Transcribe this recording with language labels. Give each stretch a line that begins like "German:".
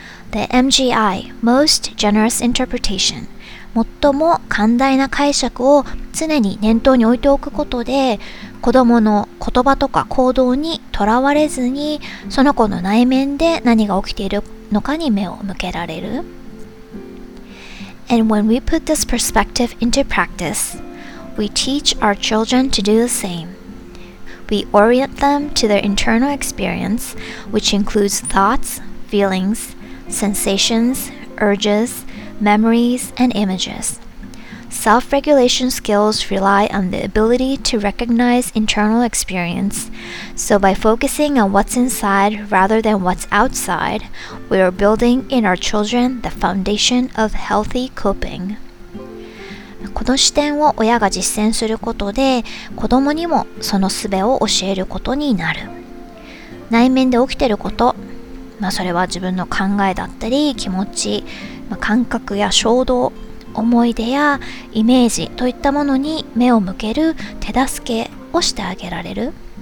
Japanese: で、MGI、
English: Most Generous Interpretation。
Japanese: 最も寛大な解釈を常に念頭に置いておくことで、子どもの言葉とか行動にとらわれずに、その子の内面で何が起きているのかに目を向けられる。
English: And when we put this perspective into practice, we teach our children to do the same. We orient them to their internal experience, which includes thoughts, feelings, sensations, urges,memories and images. Self-regulation skills rely on the ability to recognize internal experience. So by focusing on what's inside rather than what's outside, we are building in our children the foundation of healthy coping.
Japanese: この視点を親が実践することで、子供にもその術を教えることになる。内面で起きていること、まあ、それは自分の考えだったり気持ち、感覚や衝動、思い出やイメージといったものに目を向ける手助けをしてあげられる。